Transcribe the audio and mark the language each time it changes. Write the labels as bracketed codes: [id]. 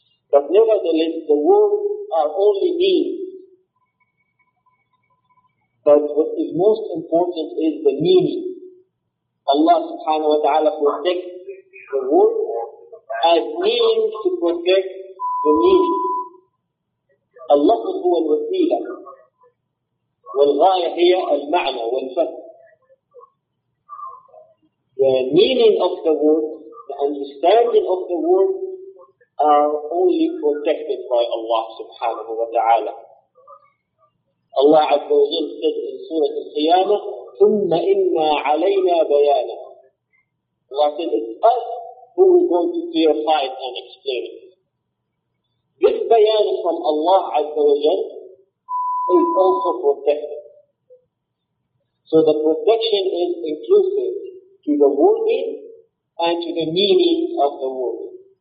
[en] But nevertheless, the words are only means. But what is most important is the meaning. Allah subhanahu wa ta'ala protects the word as means to protect the meaning. [ar] Allah هو الوسيلة والغاية هي المعنى والفهم. [en] The meaning of the word, the understanding of the word are only protected by Allah subhanahu wa ta'ala. Allah عز وجل said in Surah Al-Qiyamah, [ar] ثُمَّ إِنَّا عَلَيْنَا بَيَانَهُ. [en] Allah said, it's us who are going to clarify it and explain it. This bayan from Allah عز وجل is also protected. So the protection is inclusive to the wording and to the meaning of the wording.